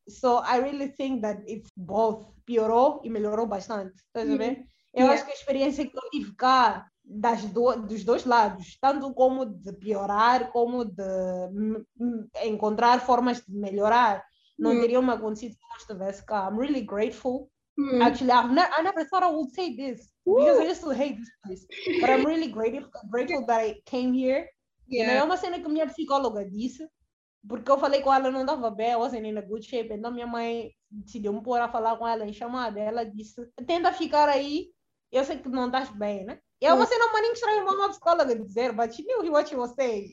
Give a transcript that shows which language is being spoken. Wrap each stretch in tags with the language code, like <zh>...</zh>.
<en>So, I really think that it's both.</en> <pt>Piorou e melhorou bastante. Estás a ver? Eu acho que a experiência que eu tive cá, dos dois lados, tanto como de piorar, como de encontrar formas de melhorar, não teria me acontecido se eu estivesse cá.</pt> <en>I'm really grateful. Actually, I never thought I would say this. Because I used to hate this place. But I'm really grateful that I came here.</en> <pt>Não é uma cena que a minha psicóloga disse, porque eu falei com ela, não estava bem, eu</pt> <en>wasn't in a good shape.</en> <pt>Então minha mãe decidiu me pôr a falar com ela em chamada. Ela disse: tenta ficar aí, eu sei que não estás bem, né? E é uma cena maninha que estranha uma psicóloga dizer,</pt> <en>but she knew what she was saying.</en>